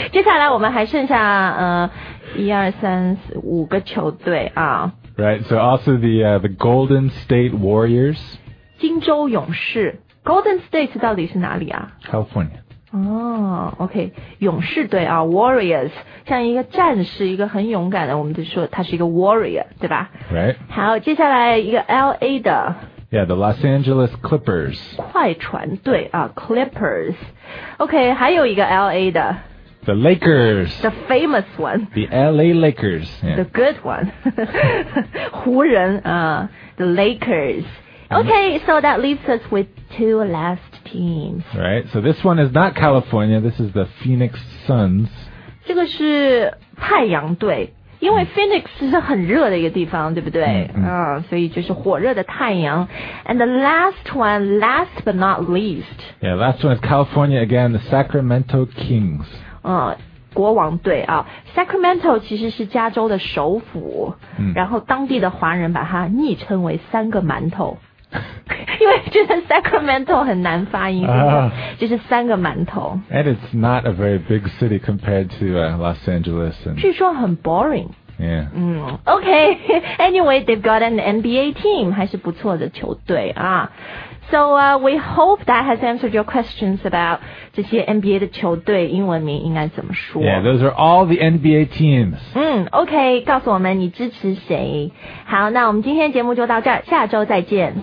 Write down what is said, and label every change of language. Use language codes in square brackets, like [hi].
[zh] 接下来我们还剩下一二三四五个球队啊。 [en] Right, so also the Golden State Warriors. [zh] 金州勇士。 Golden State 到底是哪里啊？ [en] California. [zh] 哦、OK 勇士队啊 Warriors 像一个战士一个很勇敢的我们就说他是一个 Warrior 对吧 [en] Right [zh] 好接下来一个 LA 的 [en] Yeah the Los Angeles Clippers [zh] 快船队啊 Clippers OK 还有一个 LA 的 [en] The Lakers The famous one The LA Lakers、yeah. The good one [zh] 湖人啊、 [en] The LakersOK, so that leaves us with two last teams. Right, so this one is not California, this is the Phoenix Suns. [zh] 这个是太阳队因为 Phoenix 是很热的一个地方对不对、所以就是火热的太阳 [en] And the last one, last but not least. Yeah, last one is California again, the Sacramento Kings. [zh] 国王队啊 Sacramento 其实是加州的首府、然后当地的华人把它昵称为三个馒头因为觉得 Sacramento 很难发音、就是三个馒头 [en] And it's not a very big city compared to、Los Angeles and... [zh] 据说很 boring [en] Yeah、 OK Anyway they've got an NBA team [zh] 还是不错的球队啊 [en] So we hope that has answered your questions about [zh] 这些 NBA 的球队英文名应该怎么说 [en] Yeah, those are all the NBA teams. [zh] OK, 告诉我们你支持谁。好，那我们今天节目就到这儿，下周再见。